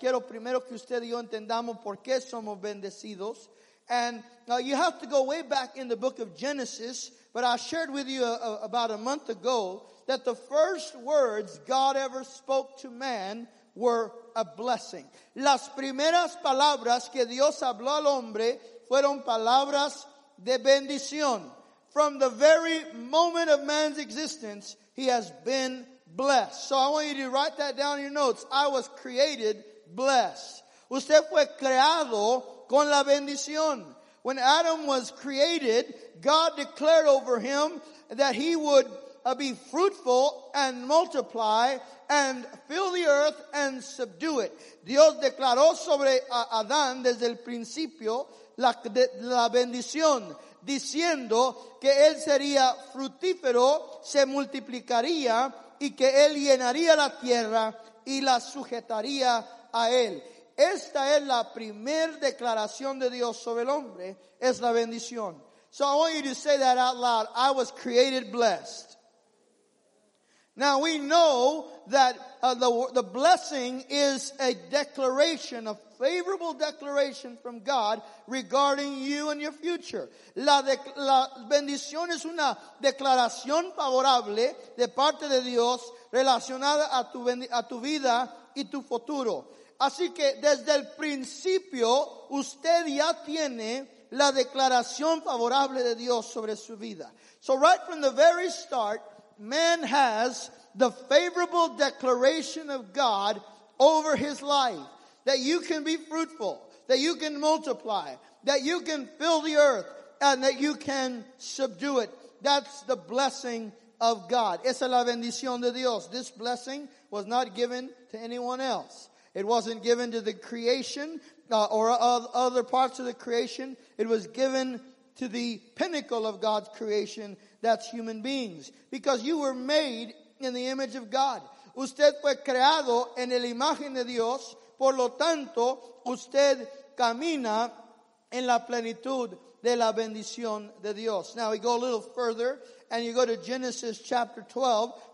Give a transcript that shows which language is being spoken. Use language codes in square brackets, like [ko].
[es] Quiero primero que usted y yo entendamos por qué somos bendecidos. [en] And you have to go way back in the book of Genesis, but I shared with you about a month ago that the first words God ever spoke to man were a blessing. [es] Las primeras palabras que Dios habló al hombre fueron palabras de bendición. [en] From the very moment of man's existence, he has been blessed. So I want you to write that down in your notes. I was created blessed. [es] Usted fue creado con la bendición. [en] When Adam was created, God declared over him that he would be fruitful and multiply and fill the earth and subdue it. [es] Dios declaró sobre Adán desde el principio la bendición, diciendo que él sería fructífero, se multiplicaría y que él llenaría la tierra y la sujetaría a él. Esta es la primer declaración de Dios sobre el hombre, es la bendición. So I want you to say that out loud. I was created blessed. [en] Now we know that the blessing is a declaration, a favorable declaration from God regarding you and your future. [es] La bendición es una declaración favorable de parte de Dios relacionada a tu vida y tu futuro. Así que desde el principio usted ya tiene la declaración favorable de Dios sobre su vida. [en] So right from the very start, man has the favorable declaration of God over his life, that you can be fruitful, that you can multiply, that you can fill the earth, and that you can subdue it. That's the blessing of God. [es] Esa es la bendición de Dios. [en] This blessing was not given to anyone else. It wasn't given to the creation or other parts of the creation. It was given to the pinnacle of God's creation, that's human beings. Because you were made in the image of God. [es] Usted fue creado en la imagen de Dios. Por lo tanto, usted camina en la plenitud de la bendición de Dios. [en] Now we go a little further and you go to Genesis chapter 12.